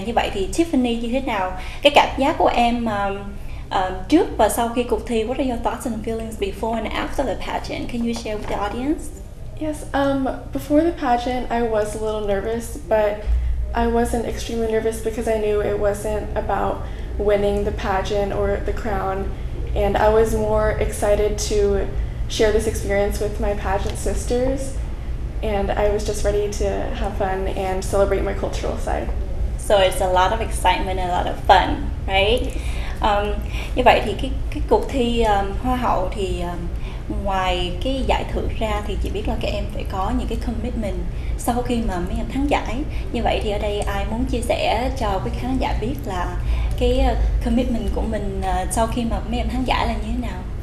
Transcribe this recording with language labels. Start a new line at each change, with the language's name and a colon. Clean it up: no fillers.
Vietnamese: Như vậy thì Tiffany, như thế nào cái cảm giác của em trước và sau khi cuộc thi?
English: What are your thoughts and feelings before and after the pageant? Can you share with the audience? Yes, before the pageant I was a little nervous, but I wasn't extremely nervous because I knew it wasn't about winning the pageant or the crown, and I was more excited to share this experience with my pageant sisters. And I was just ready to have fun and celebrate my cultural side. So it's a lot of excitement and a lot of fun, right?
Vietnamese: Như vậy thì cái cuộc thi Hoa hậu thì ngoài cái giải thưởng ra thì chị biết là các em phải có những cái commitment sau khi mà mấy em thắng giải. Như vậy thì ở đây ai muốn chia sẻ cho quý khán giả biết là cái commitment của mình sau khi mà mấy em thắng giải là như thế nào?